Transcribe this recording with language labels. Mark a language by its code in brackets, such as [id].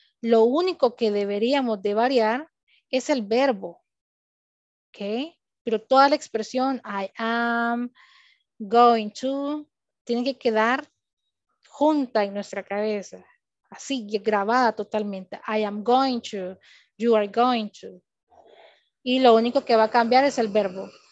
[es] Lo único que deberíamos de variar es el verbo. Okay, pero toda la expresión I am, going to, tiene que quedar junta en nuestra cabeza, así grabada totalmente. [en] I am going to, you are going to. [es] Y lo único que va a cambiar es el verbo.